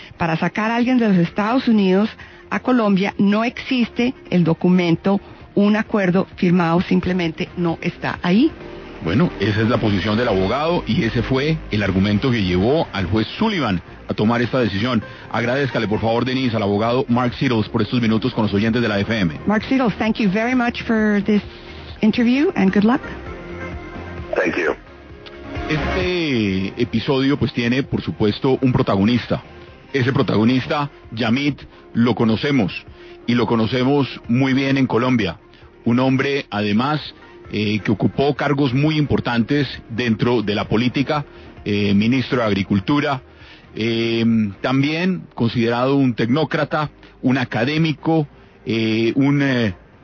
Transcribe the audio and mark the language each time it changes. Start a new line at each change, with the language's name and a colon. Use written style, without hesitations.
Spanish: Para sacar a alguien de los Estados Unidos a Colombia no existe el documento, un acuerdo firmado, simplemente no está ahí. Bueno, esa es la posición del abogado y ese fue el argumento que llevó al juez Sullivan a tomar esta decisión. Agradezcale, por favor, Denise, al abogado Mark Seedles por estos minutos con los oyentes de la FM.
English: Mark Seedles, thank you very much for this interview and good luck. Thank you.
Spanish: Este episodio pues tiene, por supuesto, un protagonista. ese protagonista, Yamit, lo conocemos, y lo conocemos muy bien en Colombia. Un hombre, además, que ocupó cargos muy importantes dentro de la política, ministro de Agricultura, también considerado un tecnócrata, un académico, un